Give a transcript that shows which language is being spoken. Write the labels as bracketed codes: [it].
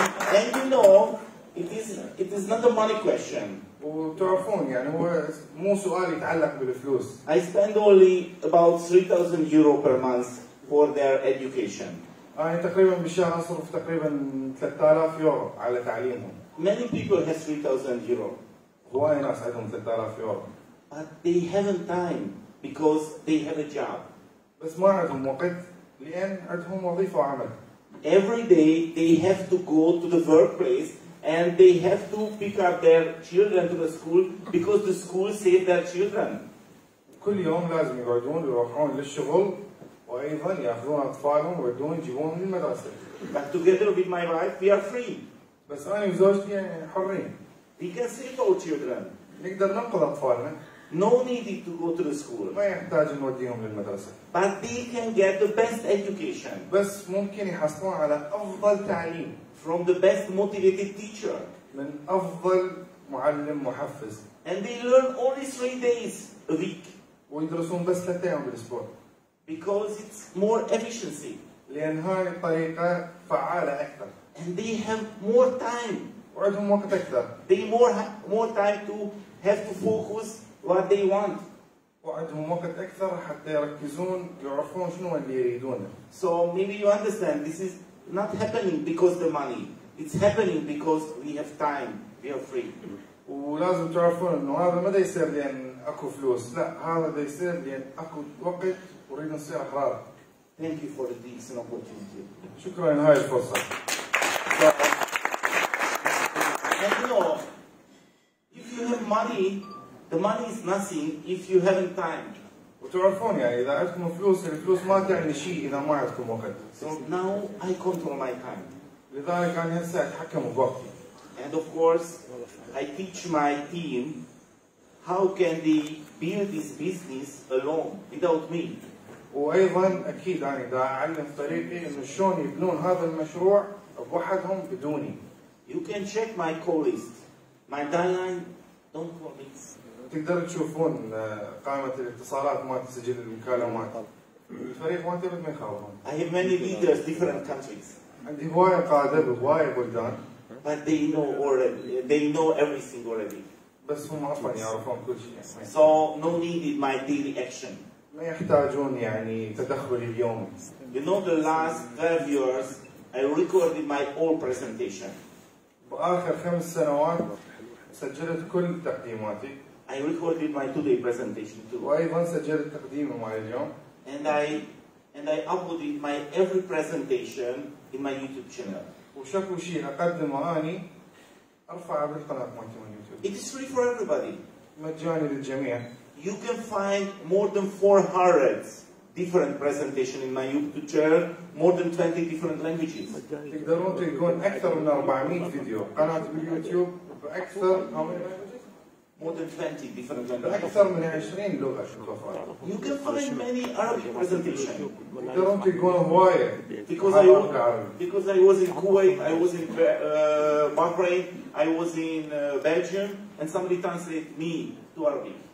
[en] And you know it is not a money question. [ar] وتعرفون يعني هو مو سؤال يتعلق بالفلوس. [en] I spend only about 3,000 euro per month for their education. [ar] أنا تقريبا بالشهر أصرف تقريبا 3000 يورو على تعليمهم. [en] Many people have 3000 euro. [ar] هواي ناس عندهم 3000 يورو. [en] But they haven't time because they have a job. [ar] بس ما عندهم وقت لأن عندهم وظيفة وعمل. [en] Every day they have to go to the workplace and they have to pick up their children to the school because the school saved their children. [ar] كل يوم لازم يقعدون يروحون للشغل. وأيضا يأخذون أطفالهم ويدون يجيبون من المدرسة. [en] But together with my wife, we are free. [ar] بس أنا وزوجتي حرين. [en] We can save our children. [ar] نقدر ننقذ أطفالنا. [en] No need to go to the school. [ar] ما يحتاج نوديهم للمدرسة. [en] But they can get the best education. [ar] بس ممكن يحصلون على أفضل تعليم. [en] From the best motivated teacher. [ar] من أفضل معلم محفز. [en] And they learn only 3 days a week. [ar] ويدرسون بس 3 أيام بالأسبوع. [en] Because it's more efficiency. [ar] لأن هاي الطريقة فعالة أكثر. [en] And they have more time. [ar] وعندهم وقت أكثر. [en] They more time to have to focus what they want. [ar] وعندهم وقت أكثر حتى يركزون يعرفون شنو اللي يريدونه. [en] So maybe you understand this is not happening because the money. It's happening because we have time. We are free. [ar] ولازم تعرفون إنه هذا ما دا يصير لأن أكو فلوس. لا هذا دا يصير لأن أكو وقت. أريد أن أصير أحرار. [en] Thank you for this opportunity. [ar] شكرا لهذه الفرصة. [en] And you know, if you have money, the money is nothing if you haven't time. [ar] وتعرفون يعني إذا عندكم فلوس الفلوس ما تعني شيء إذا ما عندكم وقت. [en] So now I control my time. [ar] لذلك أنا هسه أتحكم بوقتي. [en] And of course, I teach my team how can they build this business alone without me. [ar] وايضا اكيد يعني دا اعلم طريقي انه شلون يبنون هذا المشروع بوحدهم بدوني. [en] You can check my call list. My dialline don't call me. [ar] تقدر تشوفون قائمه الاتصالات مال تسجيل المكالمات. الفريق ما تبي من خاوهم. [en] I have many leaders different countries. [ar] عندي هواي قاده بهواي بلدان. [en] But they know already. They know everything already. [ar] بس هم اصلا يعرفون كل شيء. [en] So no need in my daily action. [ar] ما يحتاجون يعني تدخل اليومي. [en] You know the last 5 years I recorded my whole presentation. [ar] بآخر 5 سنوات سجلت كل تقديماتي. [en] I recorded my today presentation too. [ar] وأيضا سجلت تقديمي مع اليوم. [en] And I uploaded my every presentation in my YouTube channel. [ar] وشكو شيء أقدمه أني أرفعه بالقناة مالتي على يوتيوب. [en] It is free for everybody. [ar] مجاني للجميع. [en] You can find more than 400 different presentations in my YouTube channel, more than 20 different languages. [ar] تقدرون تلقون أكثر من 400 فيديو قناة باليوتيوب بأكثر [en] how many languages? More than 20 different languages. [ar] بأكثر من 20 لغة. [en] You can find many Arabic presentations. [ar] تقدرون تلقون هواية. [en] Because I was in Kuwait, I was in Bahrain, I was in Belgium, and somebody translated me to Arabic.